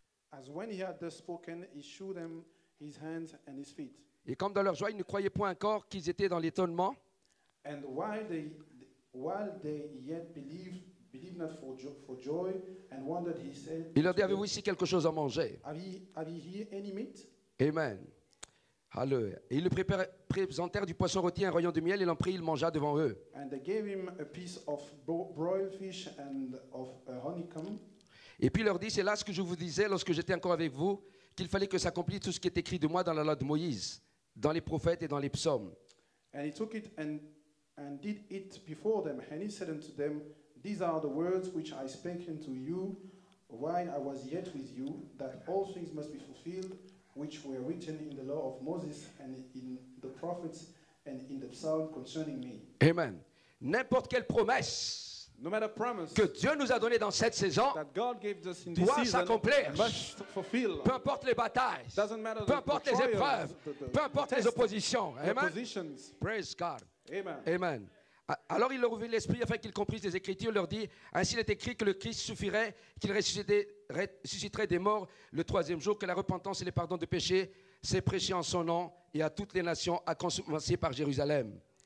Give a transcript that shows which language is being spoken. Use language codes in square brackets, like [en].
[en] As when he had thus spoken, he showed them his hands and his feet. [fr] Et comme dans leur joie, ils ne croyaient point encore qu'ils étaient dans l'étonnement. [en] And while they yet believed not for joy and wondered, he said. [fr] Il leur dit, avez-vous ici quelque chose à manger? [en] Have you here any meat? Amen. Hallelujah. [fr] Et ils lui présentèrent du poisson rôti et un rayon de miel, et l'en prit, il mangea devant eux. [en] And they gave him a piece of broiled fish and of a honeycomb. [fr] Et puis il leur dit, c'est là ce que je vous disais lorsque j'étais encore avec vous, qu'il fallait que s'accomplisse tout ce qui est écrit de moi dans la loi de Moïse, dans les prophètes et dans les psaumes. [en] And he took it and did it before them. And he said unto them, these are the words which I spake unto you while I was yet with you, that all things must be fulfilled which were written in the law of Moses and in the prophets and in the psalms concerning me. [fr] Amen. N'importe quelle promesse [en] No matter promise [fr] que Dieu nous a donné dans cette saison doit s'accomplir. Peu importe les batailles, peu importe [en] the trials, [fr] les épreuves, peu importe [en] the [fr] les oppositions. Amen. [en] Positions. Praise God. Amen. Amen. [fr] Alors il leur ouvrit l'esprit afin qu'ils comprissent les Écritures. Il leur dit, ainsi il est écrit que le Christ souffrirait, qu'il ressusciterait des morts le troisième jour, que la repentance et les pardons de péchés s'est prêché en son nom et à toutes les nations, à commencer par Jérusalem.